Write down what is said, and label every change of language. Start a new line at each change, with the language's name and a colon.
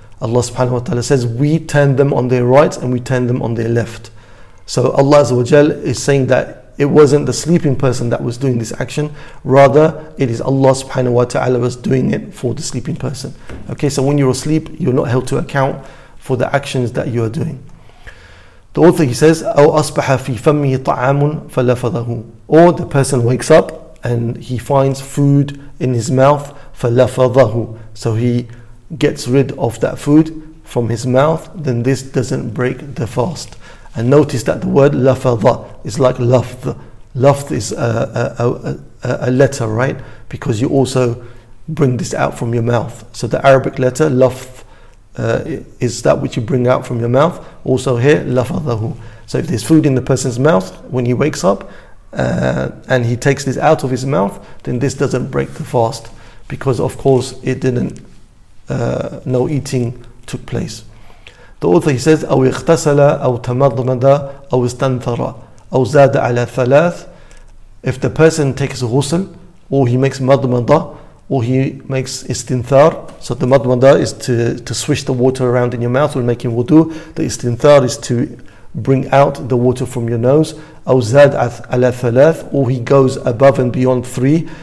English: Allah subhanahu wa ta'ala says, we turn them on their right and we turn them on their left. So Allah azza wa jal is saying that it wasn't the sleeping person that was doing this action, rather it is Allah subhanahu wa ta'ala was doing it for the sleeping person. Okay, so when you're asleep, you're not held to account for the actions that you are doing. The author, he says,
Arabic: أَوْ أَصْبَحَ فِي فَمِّهِ طَعَامٌ فَلَفَظَهُ.
English: Or the person wakes up and he finds food in his mouth, فَلَفَظَهُ. So he gets rid of that food from his mouth, then this doesn't break the fast. And notice that the word lafadha is like lafdh. Lafdh is a letter, right? Because you also bring this out from your mouth. So the Arabic letter lafdh is that which you bring out from your mouth. Also here, lafadhahu. So if there's food in the person's mouth when he wakes up and he takes this out of his mouth, then this doesn't break the fast. Because of course it didn't, no eating took place. The author, he says,
Arabic: أو اغتسل أو تمضمض أو استنثر أو زاد على ثلاث.
English: If the person takes ghusl, or he makes madmada, or he makes istinthar. So the madmada is to swish the water around in your mouth when making wudu. The istinthar is to bring out the water from your nose.
Arabic: أو زاد على ثلاث,
English: or he goes above and beyond three.